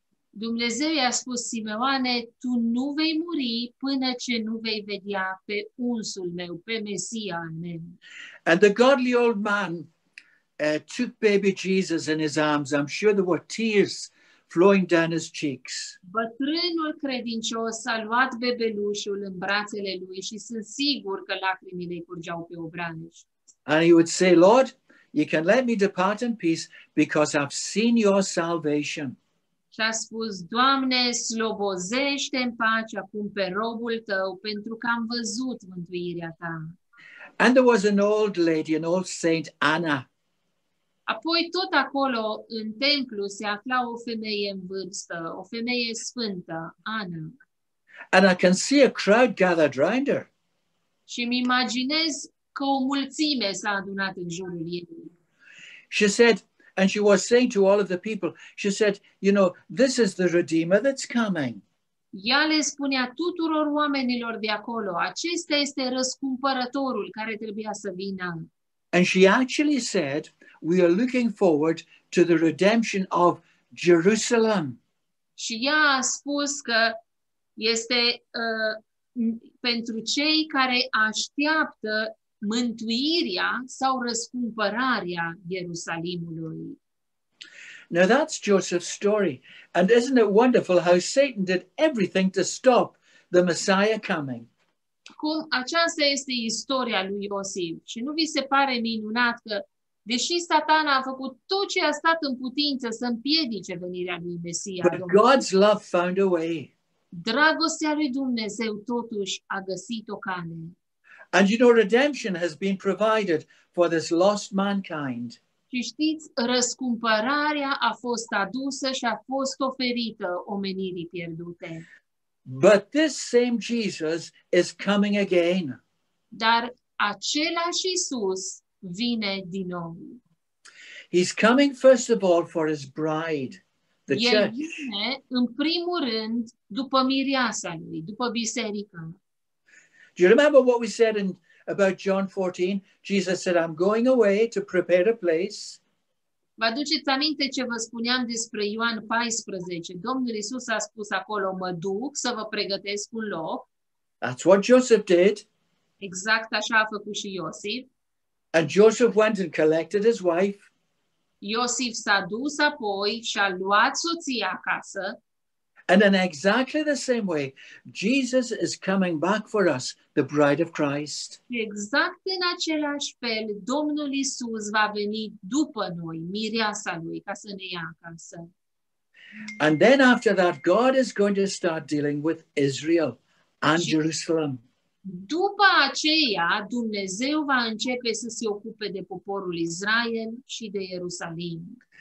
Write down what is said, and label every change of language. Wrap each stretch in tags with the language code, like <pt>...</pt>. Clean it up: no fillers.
<ro>Dumnezeu i-a spus Simeone, tu nu vei muri până ce nu vei vedea pe unsul meu, pe Mesia meu.</ro> <en>And the godly old man took baby Jesus in his arms. I'm sure there were tears flowing down his cheeks.</en> <ro>Bătrânul credincios a luat bebelușul în brațele lui și sunt sigur că lacrimile curgeau pe obraj.</ro> <en>And he would say, Lord, you can let me depart in peace because I've seen your salvation.</en> <ro>Și a spus, Doamne, slobozește în pace acum pe robul tău pentru că am văzut mântuirea ta.</ro> <en>And there was an old lady, an old saint, Anna.</en> <ro>Apoi tot acolo în templu se afla o femeie în vârstă, o femeie sfântă, Anna.</ro> <en>And I can see a crowd gathered around her.</en> <ro>Și mi imaginez că o mulțime s-a adunat în jurul ei.</ro> <en>She said, and she was saying to all of the people, she said, you know, this is the Redeemer that's coming.</en> <ro>Ea le spunea tuturor oamenilor de acolo, acesta este răscumpărătorul care trebuia să vină.</ro> <en>And she actually said, we are looking forward to the redemption of Jerusalem.</en> <ro>Și ea a spus că este pentru cei care așteaptă mântuirea sau răscumpărarea Ierusalimului.</ro> <en>Now that's Joseph's story. And isn't it wonderful how Satan did everything to stop the Messiah coming?</en> <ro>Cum aceasta este istoria lui Iosif. Și nu vi se pare minunat că, deși Satana a făcut tot ce a stat în putință să împiedice venirea lui Mesia,</ro> <en>but God's love found a way.</en> <ro>Dragostea lui Dumnezeu totuși a găsit o cale.</ro> <en>And you know, redemption has been provided for this lost mankind.</en> <ro>Și știți, răscumpărarea a fost adusă și a fost oferită omenirii pierdute.</ro> <en>But this same Jesus is coming again.</en> <ro>Dar același Iisus vine din nou.</ro> <en>He's coming first of all for his bride, the church.</en> <ro>El vine în primul rând după mireasa lui, după biserică.</ro> <en>Do you remember what we said in about John 14? Jesus said, I'm going away to prepare a place.</en> <ro>Vă aduceți aminte ce vă spuneam despre Ioan 14? Domnul Iisus a spus acolo, mă duc să vă pregătesc un loc.</ro> <en>That's what Joseph did.</en> <ro>Exact așa a făcut și Iosif.</ro> <en>And Joseph went and collected his wife.</en> <ro>Iosif s-a dus apoi și a luat soția acasă.</ro> <en>And in exactly the same way, Jesus is coming back for us, the bride of Christ.</en> <ro>Exact în același fel, Domnul Iisus va veni după noi, mireasa lui, ca să ne ia acasă.</ro> <en>And then after that, God is going to start dealing with Israel and Jerusalem.</en> <ro>După aceea, Dumnezeu va începe să se ocupe de poporul Israel și de Ierusalim.</ro>